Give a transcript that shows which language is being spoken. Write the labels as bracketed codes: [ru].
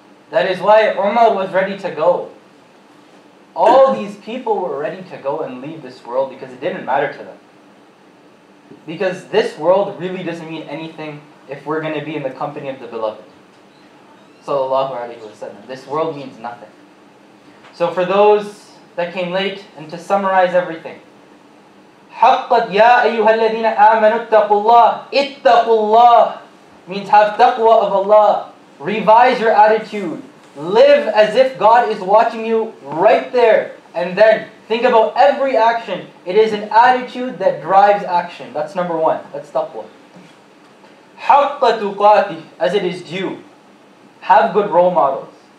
[en] That is why Umar was ready to go. All these people were ready to go and leave this world because it didn't matter to them. Because this world really doesn't mean anything if we're going to be in the company of the Beloved. Sallallahu alayhi wa sallam. This world means nothing. So for those that came late, and to summarize everything. [ar] حَقَّدْ يَا أَيُّهَا الَّذِينَ آمَنُوا اتَّقُوا اللَّهِ اتَّقُوا اللَّهِ means have taqwa of Allah. [en] Revise your attitude. Live as if God is watching you right there. And then Think about every action. It is an attitude that drives action. That's number one. That's taqwa. حَقَّ تُقَاتِهِ As it is due. Have good role models.